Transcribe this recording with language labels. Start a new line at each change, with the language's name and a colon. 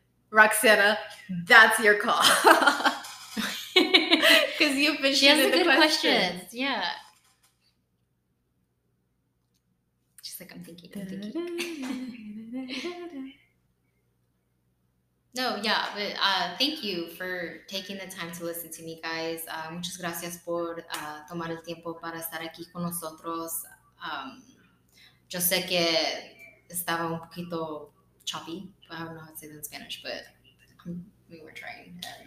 English: Roxana, that's your call. Because you've been shooting the questions. She has good questions, yeah. She's like, I'm thinking. No, yeah, but thank you for taking the time to listen to me, guys.
Spanish: Muchas gracias por tomar el tiempo para estar aquí con nosotros. Yo sé que estaba un poquito
English: choppy, but I don't know how to say that in Spanish, but we were trying.